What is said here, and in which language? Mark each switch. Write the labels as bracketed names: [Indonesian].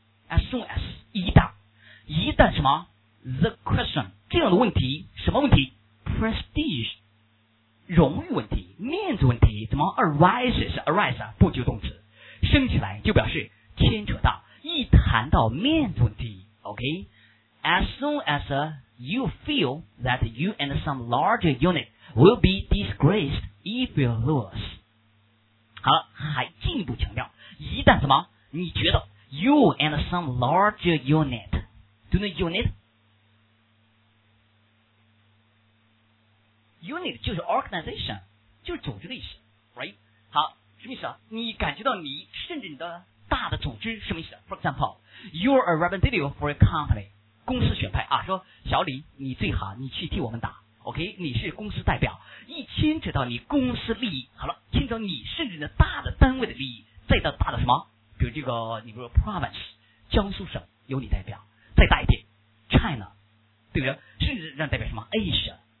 [English] as soon as [Chinese] 一旦什么 the question 这样的问题什么问题 prestige 荣誉问题面子问题怎么 arise 啊不就动词升起来就表示牵扯到一谈到面子问题 OK [English] as soon as you feel that you and some larger unit will be disgraced. If you lose [Chinese] 好了还进一步强调一旦什么你觉得 [English] You and some larger unit Do you know unit? [Chinese] Unit 就是 organization 就是组织的意思 Right? 好什么意思啊你感觉到你甚至你的大的组织什么意思 For example [English] You're a representative for a company [Chinese] 公司选派啊说小李你最好你去替我们打 OK 你是公司代表一牵扯到你公司利益好了牵扯到你甚至你的大的单位的利益再到大的什么比如这个你比如 province 江苏省由你代表再大一点 China 对不对甚至让代表什么 Asia